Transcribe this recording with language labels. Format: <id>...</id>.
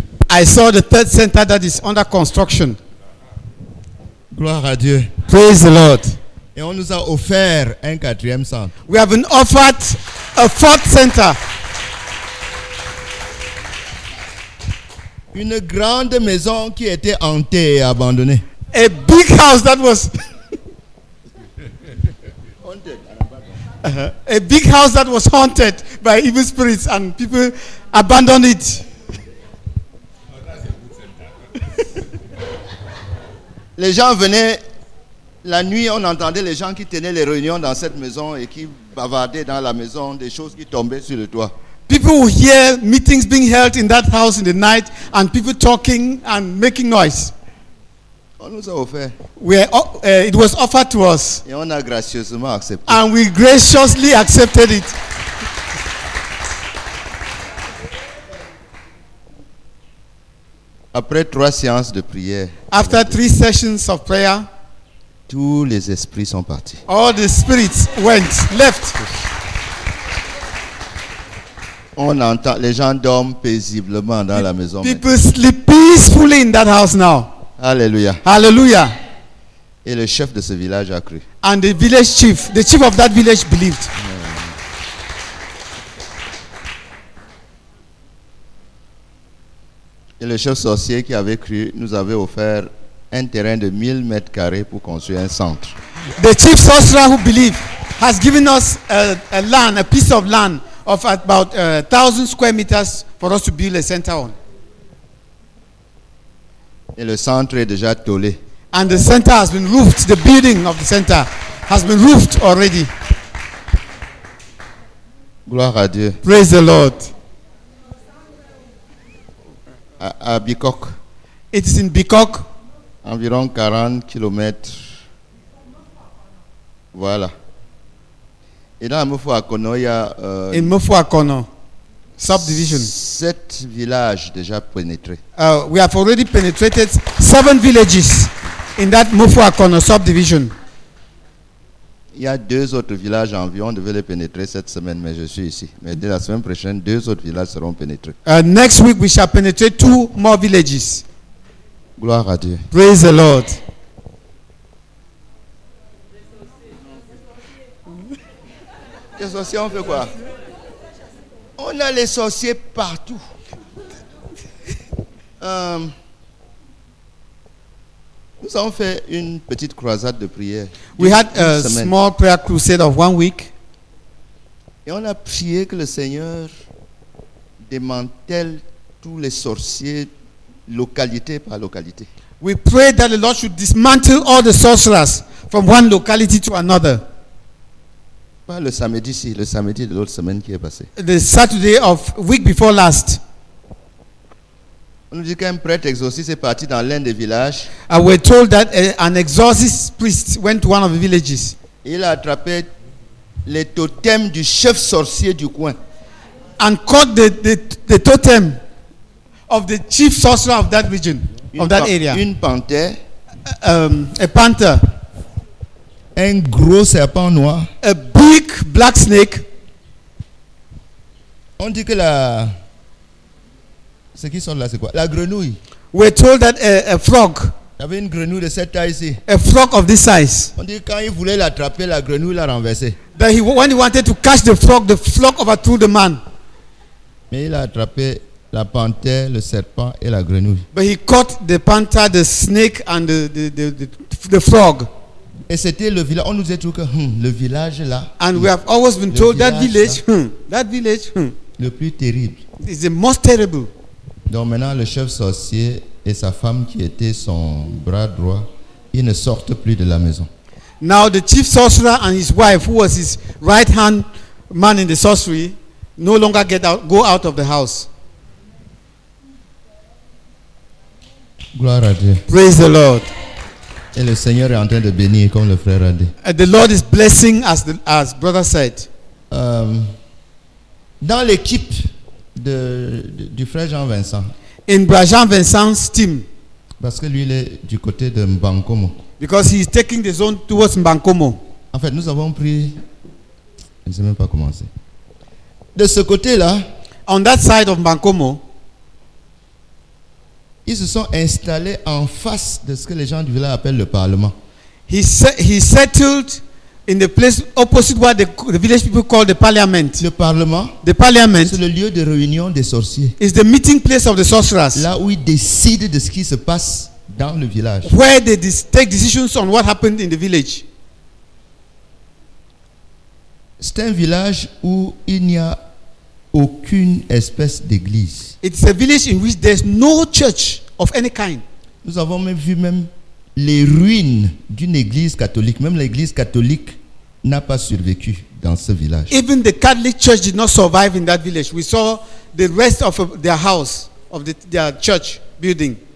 <en>I saw the third center that is under construction.</en> <fr>Gloire à Dieu.</fr> <en>Praise the Lord.</en> <fr>Et on nous a offert un quatrième centre.</fr> <en>We have been offered a fourth center.</en> <fr>Une grande maison qui était hantée et abandonnée.</fr> <en>A big house that was a big house that was haunted by evil spirits and people abandoned it.</en> <fr>Les gens venaient la nuit, on entendait les gens qui tenaient les réunions dans cette maison et qui bavardaient dans la maison des choses qui tombaient sur le toit.</fr> <en>People would hear meetings being held in that house in the night and people talking and making noise. It was offered to us.</en> <fr>Et on a gracieusement accepté.</fr> <en>And we graciously accepted it.</en> <fr>Après trois séances de prière,</fr> <en>after three sessions of prayer,</en> <fr>tous les esprits sont partis.</fr> <en>All the spirits went, left.</en> <fr>On entend, les gens dorment paisiblement dans la maison.</fr> <en>People sleep peacefully in that house now.</en> <fr>Alléluia.</fr> <en>Alléluia.</en> <fr>Et le chef de ce village a cru.</fr> <en>And the village chief, of that village believed.</en> <fr>Et le chef sorcier qui avait cru nous avait offert un terrain de 1000 mètres carrés pour construire un centre.</fr> <en>The chief sorcerer who believed has given us a land, a piece of land of about 1,000 square meters for us to build a center on.</en> <fr>Et le centre est déjà tollé.</fr> <en>And the center has been roofed. The building of the center has been roofed already.</en> <fr>Gloire à Dieu.</fr> <en>Praise the Lord.</en> <fr>À Bicoc.</fr> <en>It is in Bicoc.</en> <fr>Environ 40 kilomètres. Voilà. Et dans Mofuakono, il y a...</fr> <en>In Mofuakono. Subdivision.</en> <fr>7 villages déjà pénétrés.</fr> <en>We have already penetrated 7 villages in that Mofuakono subdivision.</en> <fr>Il y a 2 autres villages environ, on devait les pénétrer cette semaine, mais je suis ici. Mais dès la semaine prochaine, 2 autres villages seront pénétrés.</fr> <en>Next week, we shall penetrate 2 more villages.</en> <fr>Gloire à Dieu.</fr> <en>Praise the Lord.</en> <fr>Les sorciers, on fait quoi? On a les sorciers partout. Nous avons fait une petite croisade de prière.</fr> <en>We had a small prayer crusade of 1 week.</en> <fr>Et on a prié que le Seigneur démantèle tous les sorciers localité par localité.</fr> <en>We prayed that the Lord should dismantle all the sorcerers from one locality to another.</en> <fr>Pas le samedi, si, le samedi de l'autre semaine qui est passé.</fr> <en>The Saturday of week before last.</en> <fr>On nous dit qu'un prêtre exorciste est parti dans l'un des villages.</fr> <en>And we're told that an exorcist priest went to one of the villages.</en> <fr>Il a attrapé les totems du chef sorcier du coin.</fr> <en>And caught the totem of the chief sorcerer of that region, area.</en> <fr>Une panthère.</fr> <en>A panther.</en> <fr>Un gros serpent noir.</fr> <en>A big black snake.</en> <fr>On dit que la... Ce qui sont là, c'est quoi? La grenouille.</fr> <en>We're told that a frog.</en> <fr>Il y avait une grenouille de cette taille ici.</fr> <en>A frog of this size.</en> <fr>On dit que quand il voulait l'attraper, la grenouille l'a renversé.</fr> <en>That he, when he wanted to catch the frog overthrew the man.</en> <fr>Mais il a attrapé la panthère, le serpent et la grenouille.</fr> <en>But he caught the panther, the snake and the frog.</en> <fr>Et c'était le village. On nous a dit que le village là.</fr> <en>And we have always been told village, that village, that village.</en> <fr>Le plus terrible.</fr> <en>It's the most terrible.</en> <fr>Donc maintenant, le chef sorcier et sa femme qui était son bras droit, ils ne sortent plus de la maison.</fr> <en>Now the chief sorcerer and his wife, who was his right hand man in the sorcery, no longer go out of the house.</en> <fr>Gloire à Dieu.</fr> <en>Praise the Lord.</en> <fr>Et le Seigneur est en train de bénir comme le frère a dit.</fr> <en>And the Lord is blessing as brother said.</en> <fr>Dans l'équipe du frère Jean Vincent.</fr> <en>In brother Jean Vincent's team.</en> <fr>Parce que lui il est du côté de Mbankomo.</fr> <en>Because he is taking the zone towards Mbankomo.</en> <fr>En fait, nous avons pris. Je ne sais même pas comment c'est. De ce côté-là,</fr> <en>on that side of Mbankomo,</en> <fr>ils se sont installés en face de ce que les gens du village appellent le Parlement.</fr> <en>He settled in the place opposite what the village people call the Parliament.</en> <fr>Le Parlement.</fr> <en>The Parliament.</en> <fr>C'est le lieu de réunion des sorciers.</fr> <en>Is the meeting place of the sorcerers.</en> <fr>Là où ils décident de ce qui se passe dans le village.</fr> <en>Where they take decisions on what happened in the village.</en> <fr>C'est un village où il n'y a aucune espèce d'église.</fr> <en>It's a village in which there's no church of any kind.</en> <fr>Nous avons même vu même les ruines d'une église catholique. Même l'église catholique n'a pas survécu dans ce village.</fr> <en>Even the Catholic church did not survive in that village. We saw the rest of their house, of their church building.</en>